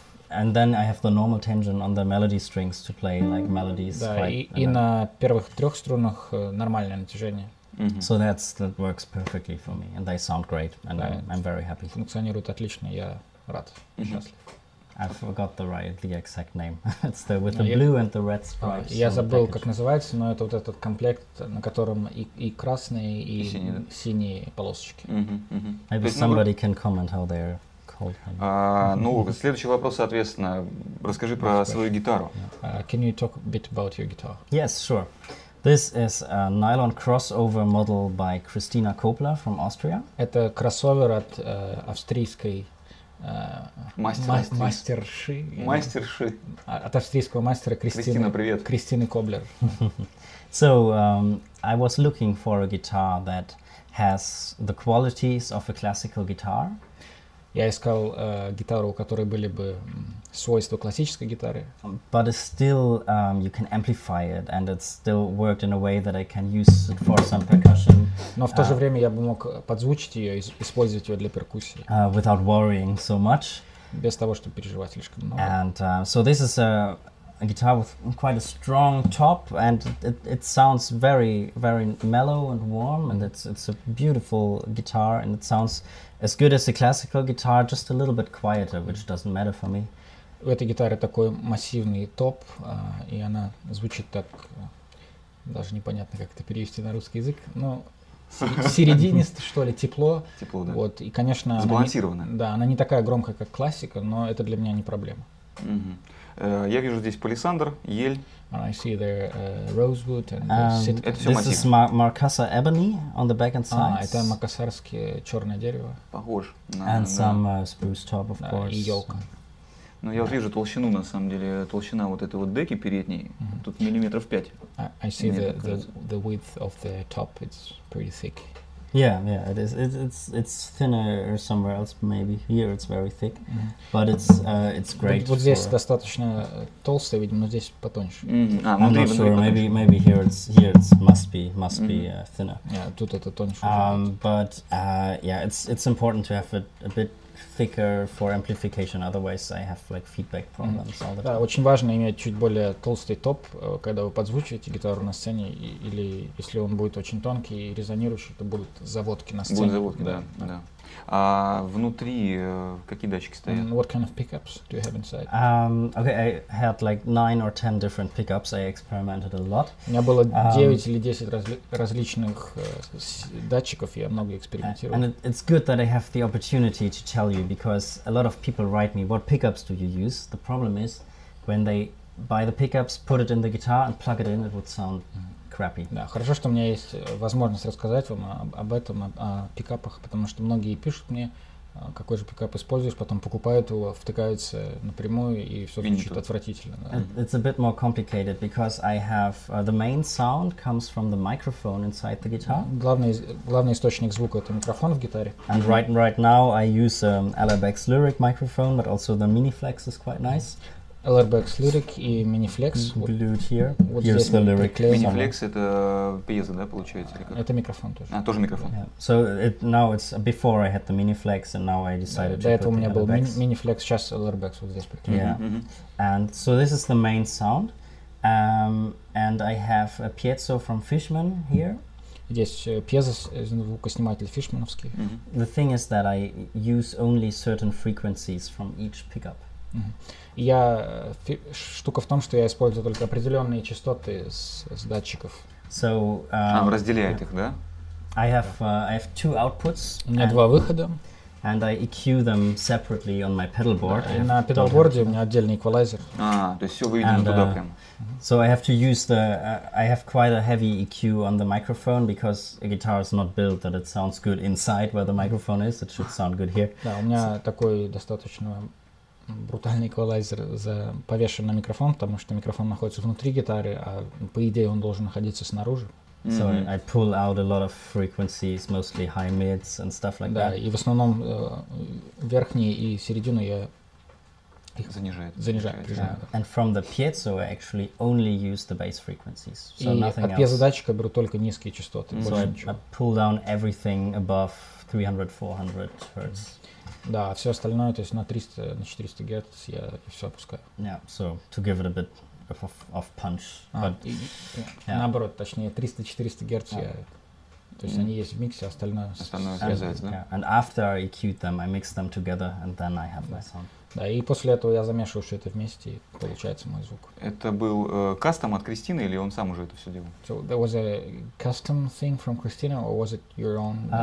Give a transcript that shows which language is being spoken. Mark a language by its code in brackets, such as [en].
[en] And then I have the normal tension on the melody strings to play like melodies. [ru] Да, и на первых трех струнах нормальное натяжение. Mm-hmm. [en] So that works perfectly for me, and they sound great, and I'm very happy. [ru] Функционирует отлично, я рад, счастлив. [en] I forgot the exact name. It's the with the blue and the red stripes. [ru] Я забыл, как называется, но это вот этот комплект, на котором и красные, и синие полосочки. [en] Maybe somebody can comment how they're. [ru] Ну, следующий вопрос, соответственно, расскажи про свою гитару. [en] Can you talk a bit about your guitar? Yes, sure. This is a nylon crossover model by Christina Kopler from Austria. [ru] Это кроссовер от австрийской мастерши. Мастерши. От австрийского мастера Кристины Коблер. [en] So, I was looking for a guitar that has the qualities of a classical guitar. [ru] Я искал гитару, у которой были бы свойства классической гитары. [en] But it's still you can amplify it, and it still worked in a way that I can use it for some percussion. [ru] Но в то же время я бы мог подзвучить ее и использовать ее для перкуссии. [en] Without worrying so much. [ru] Без того, чтобы переживать слишком много. [en] And so this is a guitar with quite a strong top, and it sounds very, very mellow and warm, and it's a beautiful guitar, and it sounds as good as a classical guitar, just a little bit quieter, which doesn't matter for me. [ru] У этой гитары такой массивный топ, и она звучит так, даже непонятно, как это перевести на русский язык, но серединисто, что ли, тепло. Тепло, да. Вот, и, конечно, сбалансированная. Она не, да, она не такая громкая, как классика, но это для меня не проблема. Я вижу здесь палисандр, ель. [en] I see the rosewood and the sitka. [ru] Это все массив. [en] This is Macassar ebony on the back and sides. [ru] А, это макасарское черное дерево. Похож. [en] And [ru] на... [en] some spruce top, of course. [ru] И елка. Ну, я вижу толщину, на самом деле, толщина вот этой вот деки передней, mm-hmm. тут миллиметров 5. [en] I see the width of the top, it's pretty thick. Yeah, yeah, it is. It's thinner somewhere else, maybe. Here it's very thick, mm-hmm. but it's great. [ru] Вот здесь [en] for... [ru] достаточно толстый, видимо, но здесь потоньше. Mm-hmm. [en] I'm not sure. Maybe here it's must be mm-hmm. Thinner. [ru] Yeah, тут это тоньше. [en] But yeah, it's important to have a bit thicker for amplification. Otherwise, I have like feedback problems mm-hmm. all the time. [ru] Да, очень важно иметь чуть более толстый топ, когда вы подзвучиваете гитару на сцене, или если он будет очень тонкий и резонирующий, то будут заводки на сцене. Будут заводки, да, да. А внутри какие датчики стоят? [en] What kind of pickups do you have inside? Okay, I had like 9 or 10 different pickups. I experimented a lot. [ru] У меня было 9 или 10 различных датчиков, я много экспериментировал. [en] And it's good that I have the opportunity to tell you, because a lot of people write me, what pickups do you use? The problem is, when they buy the pickups, put it in the guitar and plug it in, it would sound [ru] Да, хорошо, что у меня есть возможность рассказать вам об этом, о пикапах, потому что многие пишут мне, какой же пикап используешь, потом покупают его, втыкаются напрямую, и все звучит отвратительно. Да. [en] It's a bit more complicated, because I have the main sound comes from the microphone inside the guitar. [ru] Главный источник звука — это микрофон в гитаре. [en] And right now I use LRBX Lyric microphone, but also the mini flex is quite nice. [ru] LRBX Lyric и Miniflex. [en] Glued here. [ru] Вот [en] Here's the lyric. [ru] Miniflex — это пьеза, да, получается? Это микрофон тоже. А, тоже микрофон. [en] Yeah. So it, now it's before I had the Miniflex, and now I decided to put [ru] LRBX. До этого у меня был Miniflex, сейчас LRBX вот здесь приклеен. [en] Yeah. Mm-hmm. And so this is the main sound. And I have a piezo from Fishman here. [ru] Здесь пьеза, звукосниматель фишмановский. Mm-hmm. [en] The thing is that I use only certain frequencies from each pickup. Mm-hmm. [ru] Я штука в том, что я использую только определенные частоты с датчиков. [en] So, [ru] разделяет yeah. их, да? [en] I have two outputs. [ru] У меня два выхода. [en] And I EQ them separately on my pedalboard. [ru] Yeah, на педалборде у меня отдельный эквалайзер. То есть все выведено туда прям. [en] So I have to use the I have quite a heavy EQ on the microphone, because a guitar is not built that it sounds good inside where the microphone is. It should sound good here. [ru] Да, у меня такой достаточно брутальный эквалайзер повешен на микрофон, потому что микрофон находится внутри гитары, а по идее он должен находиться снаружи. [en] Mm-hmm. So I pull out a lot of frequencies, mostly high mids and stuff like [ru] да, Да, и в основном верхние и середину я их занижаю. Прижимаю. [en] And from the piezo I actually only use the bass frequencies. So [ru] и от пьезодатчика беру только низкие частоты, mm-hmm. больше [en] so [ru] ничего. [en] I pull down everything above 300-400 Hz. Mm-hmm. [ru] Да, все остальное, то есть на 300, на 400 Гц я все опускаю. [en] Yeah, so to give it a bit of punch. Yeah. [ru] Наоборот, точнее, 300-400 Гц yeah. я... То есть они есть в миксе, остальное... Остальное срезается, да? [en] Yeah. And after I EQ'd them, I mix them together, and then I have my sound. [ru] Да, и после этого я замешиваю все это вместе, и получается мой звук. Это был кастом от Кристины, или он сам уже это все делал? [en] So there was a custom thing from Christina, or was it your own?